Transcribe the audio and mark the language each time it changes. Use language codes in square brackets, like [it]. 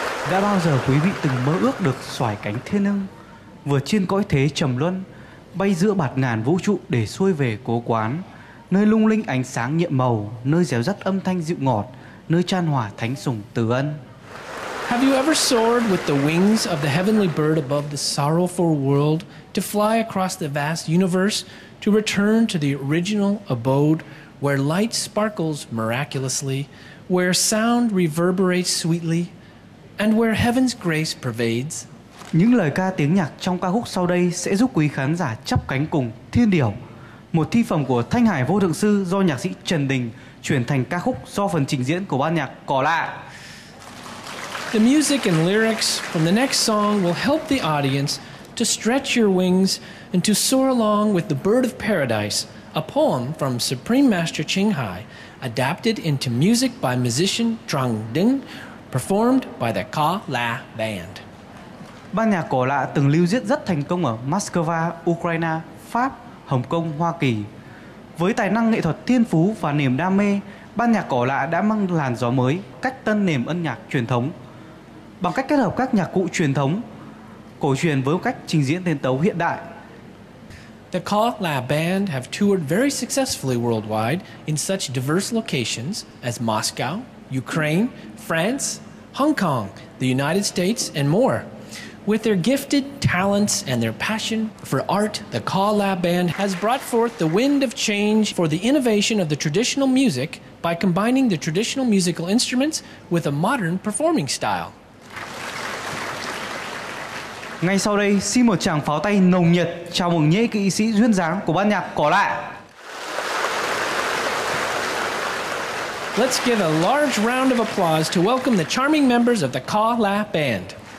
[vi] Đã bao giờ quý vị từng mơ ước được xoài cánh thiên ưng, vừa trên cõi thế trầm luân, bay giữa bạt ngàn vũ trụ để xuôi về cố quán, nơi lung linh ánh sáng nhiệm màu, nơi dẻo dắt âm thanh dịu ngọt, nơi chan hòa thánh sủng từ ân. [en] Have you ever soared with the wings of the heavenly bird above the sorrowful world to fly across the vast universe to return to the original abode where light sparkles miraculously, where sound reverberates sweetly, and where heaven's grace pervades? [vi] Những lời ca tiếng nhạc trong ca khúc sau đây sẽ giúp quý khán giả chắp cánh cùng Thiên Điểu, một thi phẩm của Thanh Hải Vô Thượng Sư do nhạc sĩ Trần Đình chuyển thành ca khúc do phần trình diễn của ban nhạc Cỏ Lạ. [en] The music and lyrics from the next song will help the audience to stretch your wings and to soar along with the Bird of Paradise, a poem from Supreme Master Qinghai, adapted into music by musician Trang Đình, performed by the Cỏ Lạ Band. [vi] Ban nhạc Cỏ Lạ từng lưu diễn rất thành công ở Moscow, Ukraine, Pháp, Hồng Kông, Hoa Kỳ. Với tài năng nghệ thuật thiên phú và niềm đam mê, ban nhạc Cỏ Lạ đã mang làn gió mới, cách tân nền âm nhạc truyền thống. Bằng cách kết hợp các nhạc cụ truyền thống, cổ truyền với cách trình diễn tên tấu hiện đại. [en] The Cỏ Lạ Band have toured very successfully worldwide in such diverse locations as Moscow, Ukraine, France, Hong Kong, the United States and more. With their gifted talents and their passion for art, the Cỏ Lạ Band has brought forth the wind of change for the innovation of the traditional music by combining the traditional musical instruments with a modern performing style. [vi] Ngay sau đây, xin một tràng pháo tay nồng nhiệt chào mừng nhễ kỵ sĩ duyên dáng của ban nhạc Cỏ Lạ. [en] Let's give a large round of applause to welcome the charming members of the Cỏ Lạ Band.